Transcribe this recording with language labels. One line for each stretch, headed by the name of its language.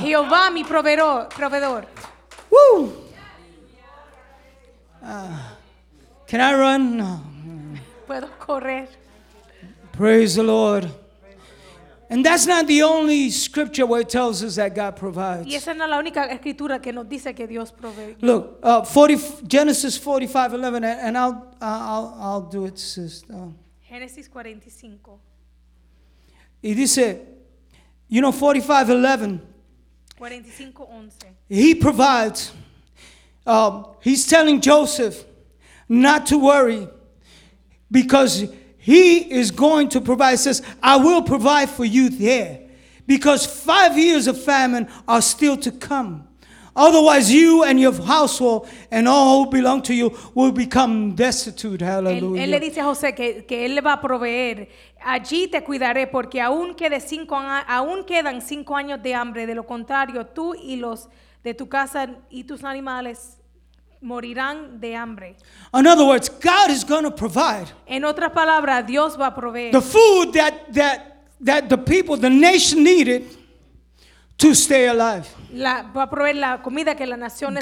Spanish: Jehová mi proveedor. Woo.
English: Can I run? No.
Spanish: Puedo correr.
English: Praise the Lord. And that's not the only scripture where it tells us that God provides.
Spanish: Y esa no es la única escritura que nos dice que Dios provee.
English: Look, Genesis 45:11, and I'll do it, sister. Genesis 45.
Spanish: Y dice,
English: you know,
Spanish: 45:11. 45:11.
English: He provides. He's telling Joseph not to worry. Because he is going to provide. He says, I will provide for you there. Because 5 years of famine are still to come. Otherwise you and your household and all who belong to you will become destitute. Hallelujah.
Spanish: Él le dice a José que él le va a proveer. Allí te cuidaré porque aún quedan 5 años de hambre. De lo contrario, tú y los de tu casa y tus animales morirán de hambre.
English: In other words, God is going to provide.
Spanish: En otras palabras, Dios va a proveer.
English: The food that the people, the nation needed to stay alive.
Spanish: Va a proveer la comida que la nación necesita.